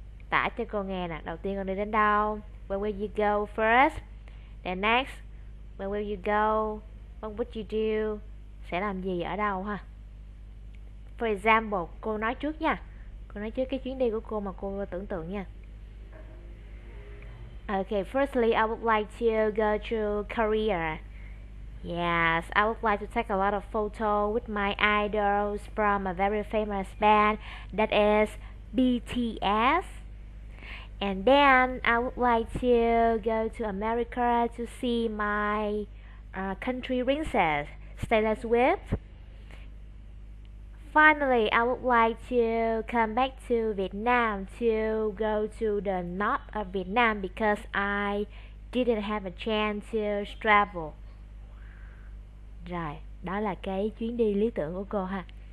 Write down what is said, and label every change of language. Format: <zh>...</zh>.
<vi>Tả cho cô nghe nè, đầu tiên con đi đến đâu?</vi> <en>Where will you go first? Then next, where will you go? What would you do?</en> <vi>Sẽ làm gì ở đâu ha?</vi> <en>For example,</en> <vi>cô nói trước nha. Cô nói trước cái chuyến đi của cô mà cô tưởng tượng nha.</vi> <en>Okay, firstly, I would like to go to Korea. Yes, I would like to take a lot of photos with my idols from a very famous band that is BTS. And then I would like to go to America to see my country princess, Taylor Swift. Finally, I would like to come back to Vietnam to go to the north of Vietnam because I didn't have a chance to travel.</en> <vi>Rồi, đó là cái chuyến đi lý tưởng của cô ha.</vi>